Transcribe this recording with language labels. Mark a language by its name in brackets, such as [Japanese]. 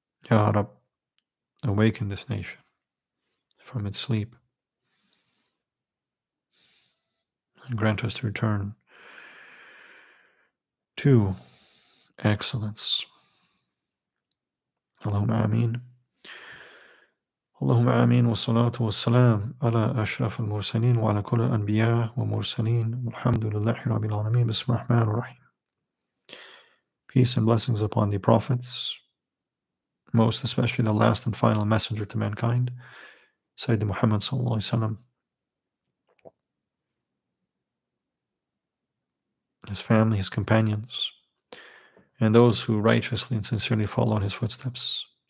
[English] Ya Rab, awaken this nation from its sleep and grant us to return to excellence. [Arabic] Allahumma ameen. اللهم آمين والصلاة والسلام على أشرف المرسلين وعلى كل الأنبياء والمرسلين والحمد لله رب العالمين بسم الله الرحمن الرحيم. [English] Peace and blessings upon the prophets, most especially the last and final messenger to mankind, Sayyidina Muhammad صلى الله عليه وسلم, his family, his companions, and those who righteously and sincerely follow in his footsteps.